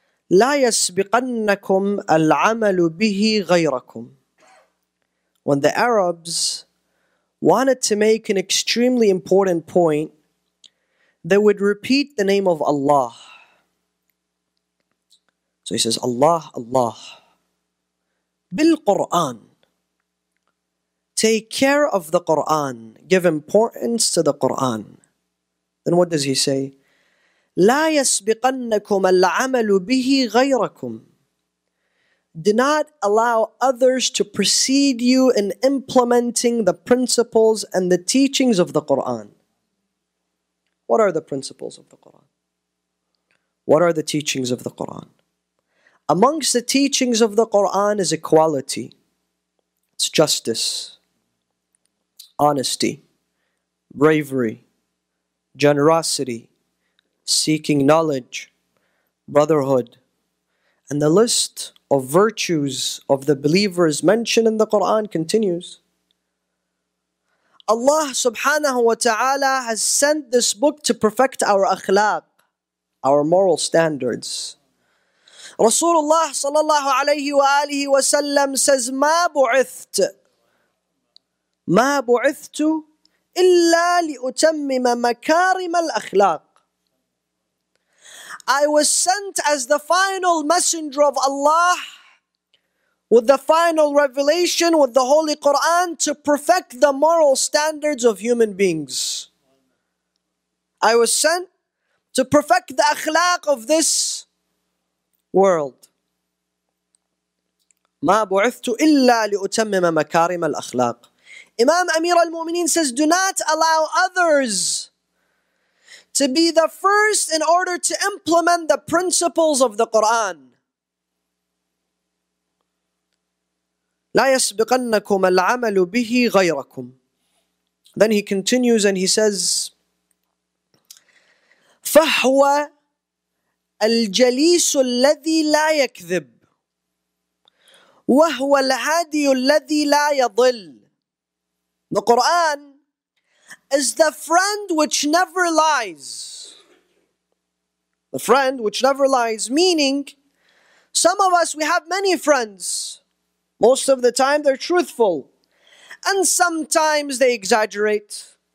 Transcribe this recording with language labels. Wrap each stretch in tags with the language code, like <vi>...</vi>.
<ar>لا يسبقنكم العمل به غيركم.</ar> <en>When the Arabs wanted to make an extremely important point, they would repeat the name of Allah. So he says, Allah, Allah.</en> <ar>بالقرآن.</ar> <en>Take care of the Qur'an. Give importance to the Qur'an. Then what does he say?</en> <ar>لا يسبقنكم العمل به غيركم.</ar> <en>Do not allow others to precede you in implementing the principles and the teachings of the Qur'an. What are the principles of the Qur'an? What are the teachings of the Qur'an? Amongst the teachings of the Qur'an is equality. It's justice. Honesty, bravery, generosity, seeking knowledge, brotherhood. And the list of virtues of the believers mentioned in the Quran continues. Allah subhanahu wa ta'ala has sent this book to perfect our akhlaq, our moral standards. Rasulullah sallallahu alayhi wa alihi wa sallam says,</en> <ar>Ma bu'itht. ما بعثت إلا لأتمم مكارم الأخلاق.</ar> <en>I was sent as the final messenger of Allah with the final revelation with the Holy Quran to perfect the moral standards of human beings. I was sent to perfect the أخلاق of this world.</en> <ar>ما بعثت إلا لأتمم مكارم الأخلاق.</ar> <en>Imam Amir al-Mu'mineen says, do not allow others to be the first in order to implement the principles of the Qur'an.</en> <ar>لا يسبقنكم العمل به غيركم. Then he continues and he says, فهو الجليس الذي لا يكذب وهو الهادي الذي لا يضل.</ar> <en>The Qur'an is the friend which never lies. The friend which never lies, meaning some of us, we have many friends. Most of the time they're truthful. And sometimes they exaggerate.</en>